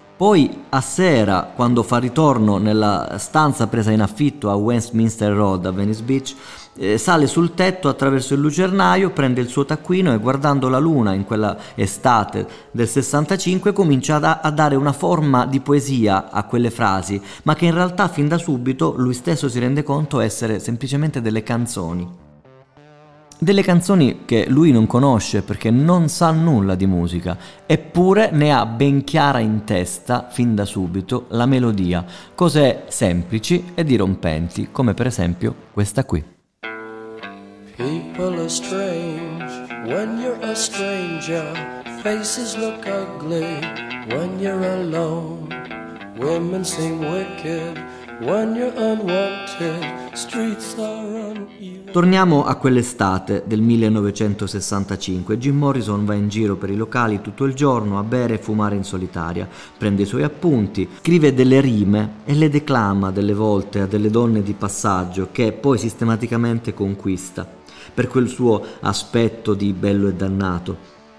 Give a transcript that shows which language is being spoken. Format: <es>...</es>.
<it>Poi a sera, quando fa ritorno nella stanza presa in affitto a Westminster Road a Venice Beach, sale sul tetto attraverso il lucernaio, prende il suo taccuino e, guardando la luna in quella estate del 65, comincia a dare una forma di poesia a quelle frasi, ma che in realtà fin da subito lui stesso si rende conto essere semplicemente delle canzoni. Delle canzoni che lui non conosce perché non sa nulla di musica, eppure ne ha ben chiara in testa fin da subito la melodia, cose semplici e dirompenti, come per esempio questa qui.</it> <en>People are strange when you're a stranger, faces look ugly when you're alone, women seem wicked when you're unwanted, streets are uneven.</en> <it>Torniamo a quell'estate del 1965. Jim Morrison va in giro per i locali tutto il giorno a bere e fumare in solitaria. Prende i suoi appunti, scrive delle rime e le declama delle volte a delle donne di passaggio che poi sistematicamente conquista per quel suo aspetto di bello e dannato.</it>